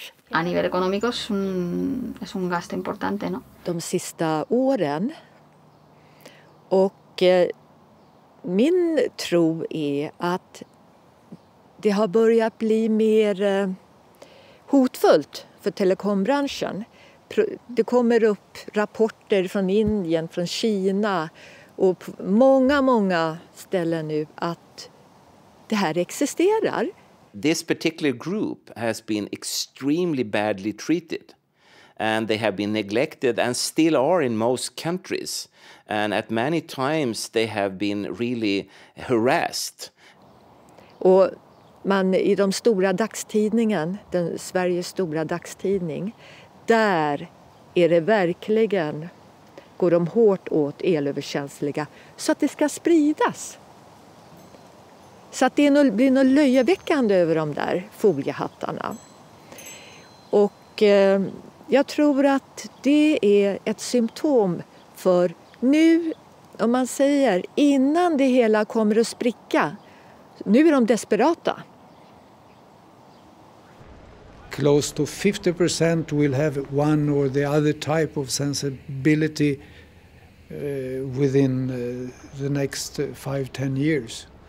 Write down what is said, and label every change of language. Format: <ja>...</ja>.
<es>A nivel económico es un gasto importante, ¿no?</es> <sv>De sista åren. Och min tro är att det har börjat bli mer hotfullt för telekombranschen. Det kommer upp rapporter från Indien, från Kina och på många, många ställen nu att det här existerar.</sv> <en>This particular group has been extremely badly treated and they have been neglected and still are in most countries. And at many times they have been really harassed.</en> <sv>Och man i de stora dagstidningen, den Sveriges stora dagstidning, där är det verkligen, går de hårt åt elöverkänsliga så att det ska spridas. Så att det blir något löjeväckande över de där foliehattarna. Och jag tror att det är ett symptom för nu, om man säger, innan det hela kommer att spricka, nu är de desperata.</sv> <en>Close to 50% will have one or the other type of sensibility within the next 5-10 years.</en>